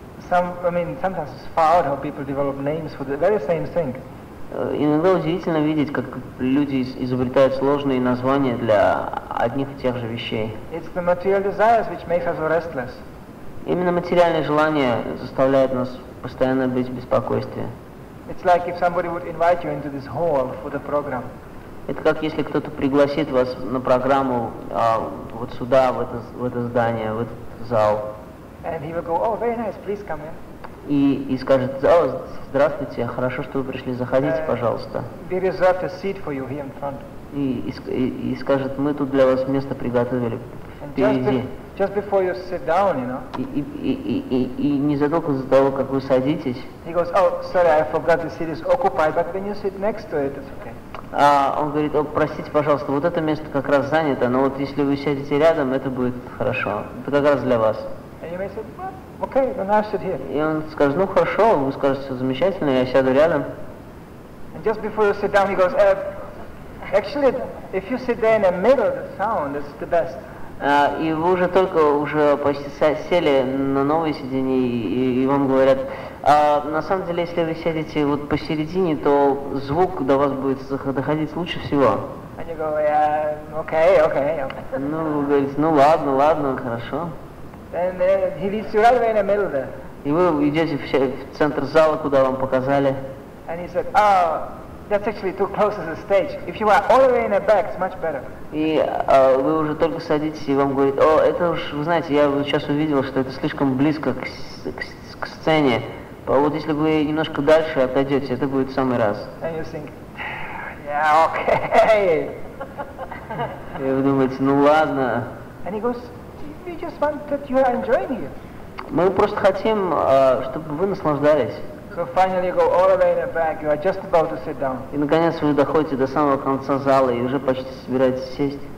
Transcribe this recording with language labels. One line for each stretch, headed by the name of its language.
English: Sometimes it's far out how people develop names for the very same thing.
Russian: Иногда удивительно видеть, как люди изобретают сложные названия для одних и тех же вещей.
English: It's the material desires which makes us restless.
Russian: Именно материальные желания заставляют нас постоянно быть в беспокойстве.
English: It's like if somebody would invite you into this hall for the program.
Russian: Это как если кто-то пригласит вас на программу вот сюда, в это здание, в этот зал.
English: And he will go, oh, very nice, please come in.
Russian: и скажет: здравствуйте, хорошо, что вы пришли, заходите, пожалуйста. И скажет: мы тут для вас место приготовили, впереди.
English: Just before you sit down, you know.
Russian: И незадолго до того, как вы садитесь.
English: He goes, oh, sorry, I forgot the seat is occupied, but when you sit next to it, it's okay.
Russian: Он говорит: о, простите, пожалуйста, вот это место как раз занято, но вот если вы сядете рядом, это будет хорошо. Это как раз для вас.
English: And you may say, well, okay, then I'll sit here.
Russian: И он скажет: ну хорошо, вы скажете: замечательно, я сяду рядом.
English: And just before you sit down, he goes, actually, if you sit there in the middle, the sound is the best.
Russian: И вы уже только уже почти сели на новое сиденье, и вам говорят: на самом деле, если вы сядете вот посередине, то звук до вас будет доходить лучше всего.
English: And you go, yeah, okay, okay, okay.
Russian: Ну, вы говорите: ну ладно, ладно, хорошо.
English: And, he leads you right away in the middle there.
Russian: И вы идете в центр зала, куда вам показали.
English: And he said, oh, that's actually too close to the stage. If you are all the way in the back, it's much better.
Russian: И вы уже только садитесь, и вам говорит: о, это уж, вы знаете, я вот сейчас увидел, что это слишком близко к сцене. А вот если вы немножко дальше отойдете, это будет в самый раз.
English: And you think, yeah, okay.
Russian: И вы думаете: ну ладно.
English: And he goes, we just want that you are enjoying it.
Russian: Мы просто хотим, чтобы вы наслаждались.
English: So finally you go all the way in the back, you are just about to sit down.
Russian: И наконец вы доходите до самого конца зала и уже почти собираетесь сесть.